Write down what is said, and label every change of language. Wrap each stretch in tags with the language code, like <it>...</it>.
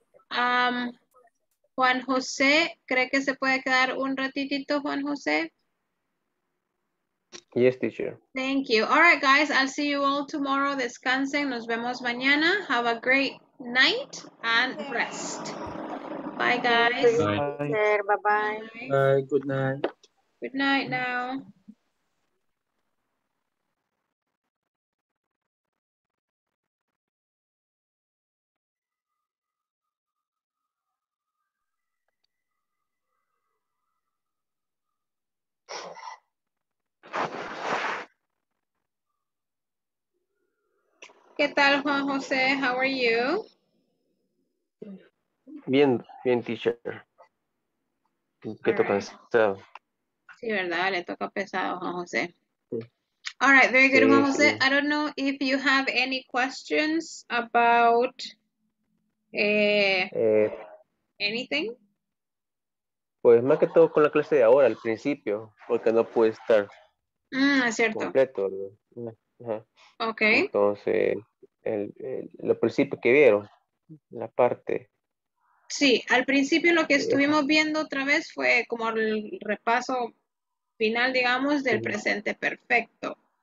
<es>Juan José, ¿cree que se puede quedar un ratitito, Juan José?</es> <en>Yes, teacher. Thank you. All right, guys, I'll see you all tomorrow.</en> <es>Descansen, nos vemos mañana.</es> <en>Have a great night and rest. Bye, guys. Bye. Bye-bye. Bye. Bye, good night. Good night now.</en> <es>¿Qué tal,</es> <en>Juan José? How are you?</en> <es>Bien, bien, teacher. ¿Qué toca pesado? Sí, verdad, le toca pesado, Juan José. Sí.</es> <en>All right, very good,</en> <es>Juan José. Sí.</es> <en>I don't know if you have any questions about anything.</en> <es>Pues más que todo con la clase de ahora, al principio, porque no pude estar es cierto. Completo. Ajá. Ok. Entonces, el principio que vieron, la parte. Sí, al principio lo que estuvimos viendo otra vez fue como el repaso final, digamos, del presente perfecto.</es>